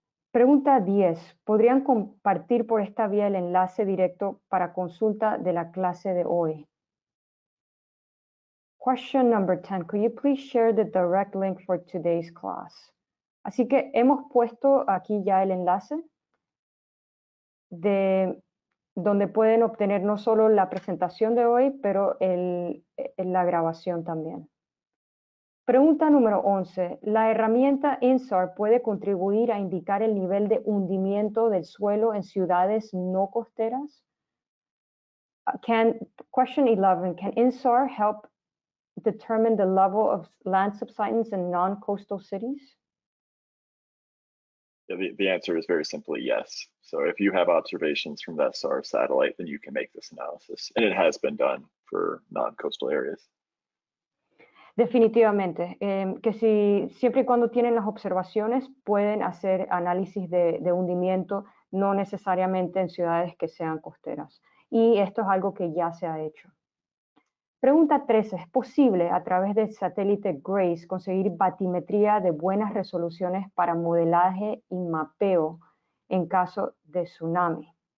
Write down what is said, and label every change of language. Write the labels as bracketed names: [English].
[Spanish] Pregunta 10. ¿Podrían compartir por esta vía el enlace directo para consulta de la clase de hoy? [English] Question number 10. Could you please share the direct link for today's class? [Spanish] Así que hemos puesto aquí ya el enlace de donde pueden obtener no solo la presentación de hoy, pero la grabación también. Pregunta número 11. ¿La herramienta INSAR puede contribuir a indicar el nivel de hundimiento del suelo en ciudades no costeras? [English] Question 11. ¿Can INSAR help determine the level of land subsidence in non-coastal cities? The answer is very simply yes. So if you have observations from that SAR satellite, then you can make this analysis. And it has been done for non-coastal areas. [Spanish] Definitivamente. Que si siempre y cuando tienen las observaciones, pueden hacer análisis de hundimiento, no necesariamente en ciudades que sean costeras. Y esto es algo que ya se ha hecho. Pregunta 13. ¿Es posible a través del satélite GRACE conseguir batimetría de buenas resoluciones para modelaje y mapeo en caso de tsunami?